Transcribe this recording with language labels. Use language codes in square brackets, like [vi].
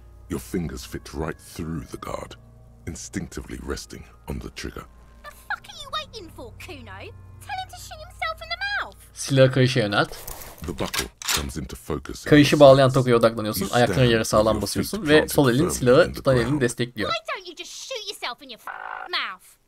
[en] Your fingers fit right through the guard, instinctively resting on the trigger. The fuck are you waiting for, Kuno? Tell him to shoot himself in the mouth. [tr] Silahı kayışa yönelt. [en] The buckle comes into focus. [tr] Kayışı bağlayan tokaya odaklanıyorsun, ayaklarını yere sağlam basıyorsun ve sol elin silahı tutan elini destekliyor. [en] Why don't you just shoot yourself in your mouth?